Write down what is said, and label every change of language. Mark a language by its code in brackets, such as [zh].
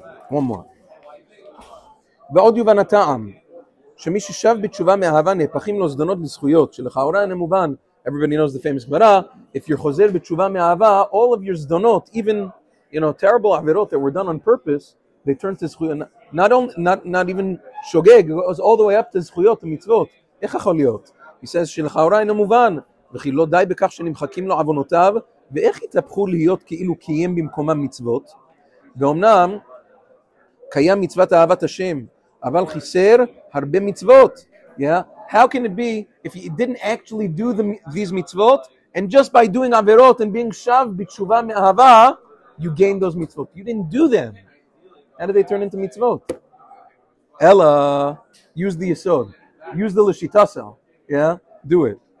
[en] One more. [he] ועוד יובן הטעם, שמי ששב בתשובה מאהבה נהפכים לו זדונות לזכויות, שלכאורה אינם מובן, [en] everybody knows the famous Gemara, if you're חוזר בתשובה מאהבה, all of your זדונות, even, you know, terrible avirot that were done on purpose, they turn to zchuyot, not even shogeg, it goes all the way up to zchuyot, to mitzvot. [he] איך יכול להיות? [en] He says, [he] שלכאורה אינם מובן, וכי לא די בכך שנמחקים לו עוונותיו, ואיך יתהפכו להיות כאילו קיים במקומם מצוות? ואומנם, קיים מצוות אהבת השם, אבל חיסר הרבה מצוות. [en] Yeah? How can it be if he didn't actually do these mitzvot, and just by doing avirot and being shav b'tshuva me'ahava, you gained those mitzvot? You didn't do them. How did they turn into mitzvot? Ella, use the yesod. Use the l'shitaso. Yeah? Do it.